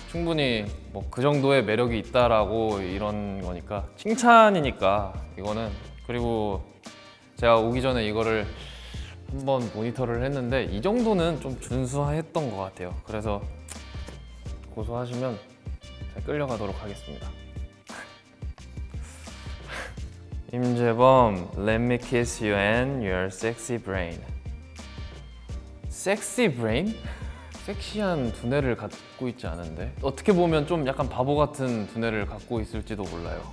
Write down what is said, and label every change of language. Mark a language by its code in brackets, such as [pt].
[ko] 충분히 뭐 그 정도의 매력이 있다라고 이런 거니까 칭찬이니까 이거는. 그리고 제가 오기 전에 이거를 한번 모니터를 했는데 이 정도는 좀 준수했던 것 같아요. 그래서 고소하시면 끌려가도록 하겠습니다. [en] 임재범, let me kiss you and your sexy brain. Sexy brain? [ko] 섹시한 두뇌를 갖고 있지 않은데? 어떻게 보면 좀 약간 바보 같은 두뇌를 갖고 있을지도 몰라요.